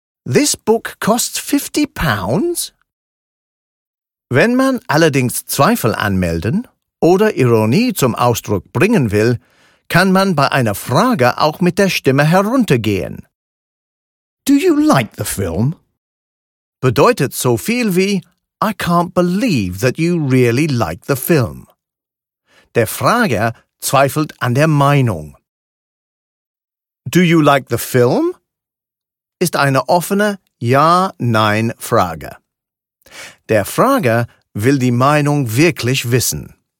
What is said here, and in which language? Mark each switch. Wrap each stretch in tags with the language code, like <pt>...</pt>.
<en>This book costs 50 pounds?</en> <de>Wenn man allerdings Zweifel anmelden oder Ironie zum Ausdruck bringen will, kann man bei einer Frage auch mit der Stimme heruntergehen.</de> <en>Do you like the film?</en> <de>Bedeutet so viel wie</de> <en>I can't believe that you really like the film.</en> <de>Der Frager zweifelt an der Meinung.</de> <en>Do you like the film?</en> <de>Ist eine offene Ja-Nein-Frage. Der Frager will die Meinung wirklich wissen.</de>